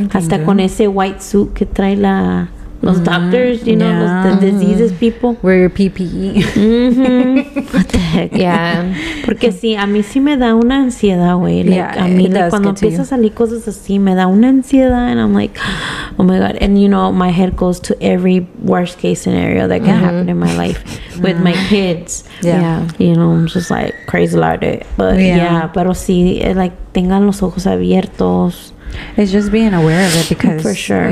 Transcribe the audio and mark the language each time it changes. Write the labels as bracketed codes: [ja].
[es] Hasta con ese white suit que trae la [en] Those doctors, you know, those, the diseases people. Wear your PPE. Mm-hmm. What the heck? Yeah. [es] Porque sí, a mí sí me da una ansiedad, güey. Like, yeah, a mí, it like, cuando empieza a salir cosas así, me da una ansiedad. [en] And I'm like, oh my God. And, you know, my head goes to every worst case scenario that can happen in my life with my kids. Yeah. You know, I'm just like crazy about it. [es] But yeah, pero sí, like, tengan los ojos abiertos. [en] It's just being aware of it because, for sure,